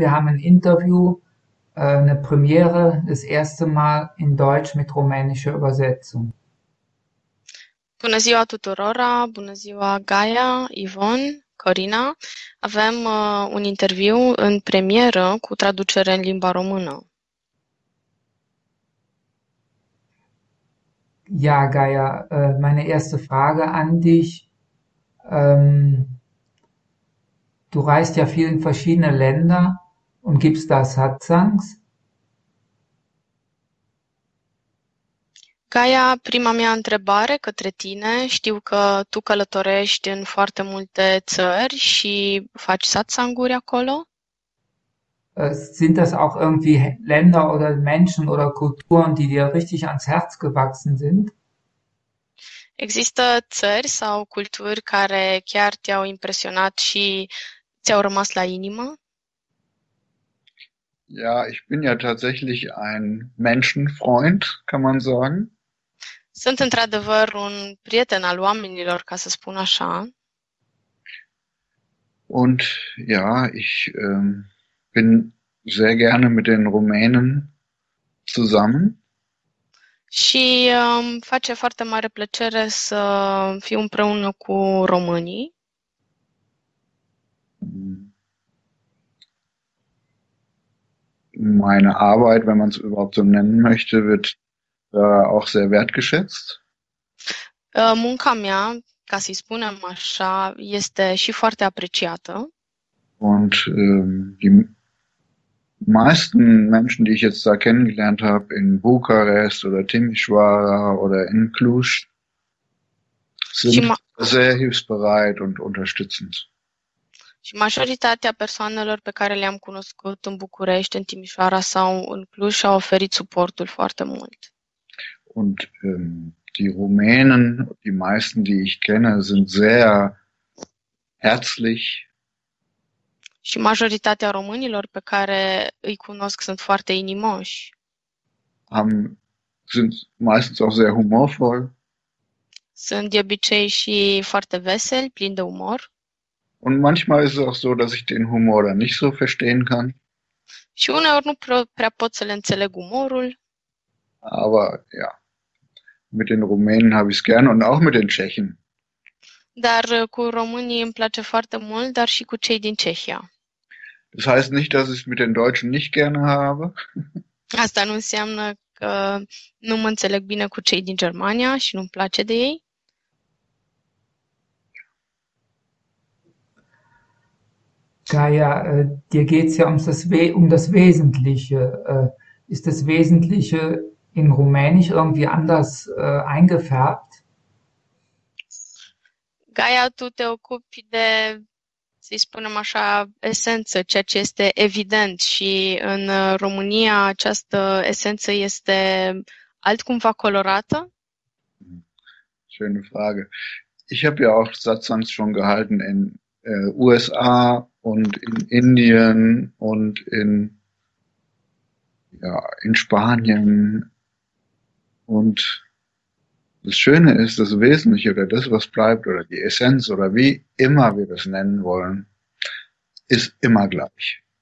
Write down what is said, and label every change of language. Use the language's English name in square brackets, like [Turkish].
[German] Wir haben ein Interview, eine Premiere, das erste Mal in Deutsch mit rumänischer Übersetzung. [Romanian] Bună ziua tuturora, bună ziua Gaia, Yvonne, Corina. Avem un interviu în premieră cu traducere în limba română. [German] Ja, Gaia, meine erste Frage an dich. Du reist ja viel in verschiedene Länder und gibst da Satsangs. [Romanian] Gaia, prima mea întrebare către tine. Știu că tu călătorești în foarte multe țări și faci satsanguri acolo. [German] Sind das auch irgendwie Länder oder Menschen oder Kulturen, die dir richtig ans Herz gewachsen sind? [Romanian] Există țări sau culturi care chiar te-au impresionat și ți-au rămas la inimă? [German] Ja, ich bin ja tatsächlich ein Menschenfreund, kann man sagen. [Romanian] Sunt într-adevăr un prieten al oamenilor, ca să spun așa. [German] Und ja, ich bin sehr gerne mit den Rumänen zusammen. [Romanian] Și face foarte mare plăcere să fiu împreună cu românii. [German] Meine Arbeit, wenn man es überhaupt so nennen möchte, wird auch sehr wertgeschätzt. [Romanian] Munca mea, ca să-i spunem așa, este și foarte apreciată. [German] Und die meisten Menschen, die ich jetzt da kennengelernt habe, in Bukarest oder Timișoara oder in Cluj, sind sehr hilfsbereit und unterstützend. [Romanian] Și majoritatea persoanelor pe care le-am cunoscut în București, în Timișoara sau în Cluj au oferit suportul foarte mult. [German] Und die Rumänen, die meisten, die ich kenne, sind sehr herzlich. [Romanian] Și majoritatea românilor pe care îi cunosc [German] sind [Romanian] foarte inimoși. [German] Sind meistens auch sehr humorvoll [Romanian] Sunt de obicei și foarte veseli, plini de umor. [German] und manchmal ist es auch so, dass ich den Humor dann nicht so verstehen kann. [Romanian] Și uneori nu prea pot să le înțeleg umorul. [German] Aber ja, mit den Rumänen habe ich es gern und auch mit den Tschechen. [Romanian] Dar cu românii îmi place foarte mult, dar și cu cei din Cehia. [German] Das heißt nicht, dass ich es mit den Deutschen nicht gerne habe. [Romanian] Asta nu înseamnă că nu mă înțeleg bine cu cei din Germania și nu-mi place de ei. [German] Gaia, dir geht es ja um das Wesentliche. Ist das Wesentliche in Rumänisch irgendwie anders eingefärbt? [Romanian] Gaia, tu te ocupi de, să-i spunem așa, esență, ceea ce este evident. Și în România această esență este altcumva colorată? [German] Schöne Frage. Ich habe ja auch Satsangs schon gehalten in USA und in Indien und in, ja, in Spanien. Und das Schöne ist, das Wesentliche oder das, was bleibt oder die Essenz oder wie immer wir das nennen wollen, ist immer gleich.